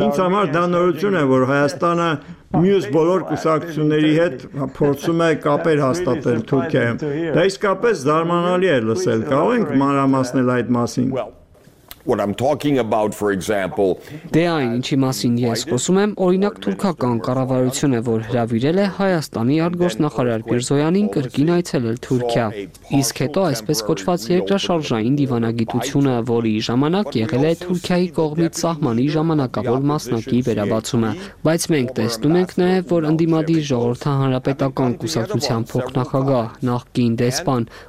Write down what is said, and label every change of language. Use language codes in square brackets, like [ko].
[hy] Ինձ համար դա նորություն է, որ Հայաստանը մյուս բոլոր կուսակցությունների հետ փորձում է կապեր հաստատել Թուրքիայում։ Դա իսկապես զարմանալի է լսել։ Կարո՞ղ ենք մանրամասնել այդ մասին։ [en] What I'm talking about, for example, [hy] դե այն ինչի մասին ես խոսում եմ, օրինակ թուրքական կառավարությունը, որ հրավիրել է Հայաստանի արտգործնախարար Միրզոյանին կրկին այցելել Թուրքիա, իսկ հետո այսպես կոչված երկրաշարժային դիվանագիտությունը, որի ժամանակ եղել է Թուրքիայի կողմից սահմանի ժամանակավոր մասնակի վերաբացումը, բայց մենք տեսնում ենք նաև, որ ընդդիմադիր ժողովրդահանրապետական կուսակցության փոխնախագահ, նախկին դեսպան